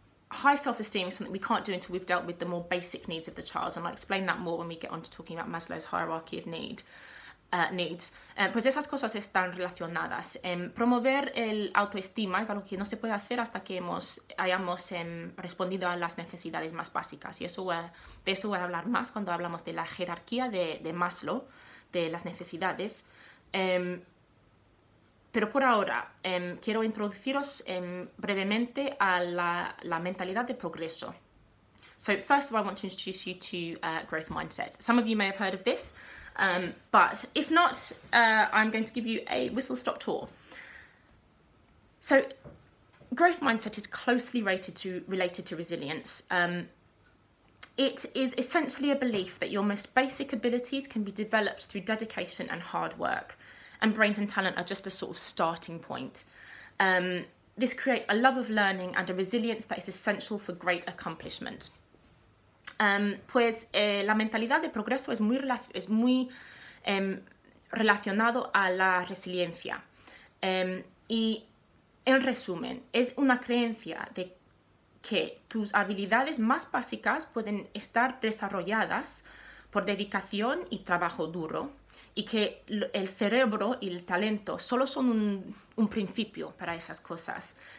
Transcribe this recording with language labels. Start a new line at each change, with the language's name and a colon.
English: High self-esteem is something we can't do until we've dealt with the more basic needs of the child, and I'll explain that more when we get on to talking about Maslow's hierarchy of needs.
Spanish: Pues esas cosas están relacionadas. Promover el autoestima es algo que no se puede hacer hasta que hayamos respondido a las necesidades más básicas, y de eso voy a hablar más cuando hablamos de la jerarquía de Maslow, de las necesidades. Pero por ahora, quiero introduciros brevemente a la mentalidad de progreso.
English: So first of all, I want to introduce you to growth mindset. Some of you may have heard of this, but if not, I'm going to give you a whistle-stop tour. So growth mindset is closely related to resilience. It is essentially a belief that your most basic abilities can be developed through dedication and hard work. And brains and talent are just a sort of starting point. This creates a love of learning and a resilience that is essential for great accomplishment.
Spanish: La mentalidad de progreso es muy relacionado a la resiliencia. Y en resumen, es una creencia de que tus habilidades más básicas pueden estar desarrolladas por dedicación y trabajo duro, y que el cerebro y el talento solo son un principio para esas cosas.